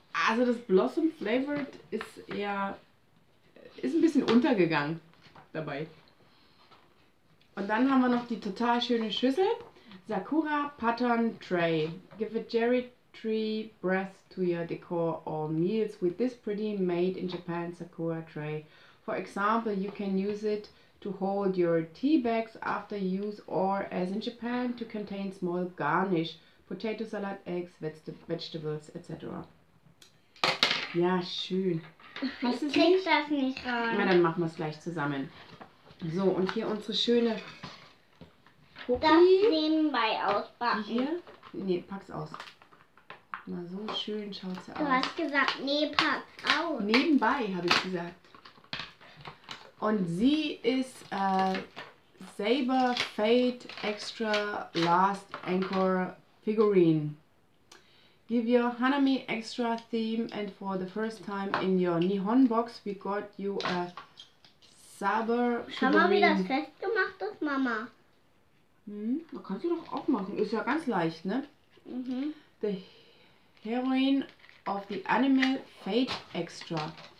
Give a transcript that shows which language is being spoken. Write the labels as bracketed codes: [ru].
[de] Also das Blossom Flavored ist ja ist ein bisschen untergegangen dabei. Und dann haben wir noch die total schöne Schüssel. [en] Sakura Pattern Tray. Give a cherry tree breath to your decor or meals with this pretty made in Japan Sakura tray. For example, you can use it to hold your tea bags after use or, as in Japan, to contain small garnish, potato salad, eggs, vegetables, etc. [de] Ja, schön. Was ist ich krieg das nicht rein. Na, dann machen wir es gleich zusammen. So, und hier unsere schöne Puppi. Das nebenbei auspacken. Hier? Nee, pack's aus. Na, so schön schaut's aus. Du hast gesagt, nee, pack's aus. Nebenbei, habe ich gesagt. Und sie ist Saber Fate Extra Last Anchor Figurine. [en] Give your Hanami extra theme and for the first time in your Nihon box we got you a Saber Figurine. [de] Haben wir das festgemacht, das Mama? Hm, das kannst du doch auch machen. Ist ja ganz leicht, ne? Mhm. [en] The Heroine of the Anime Fate Extra.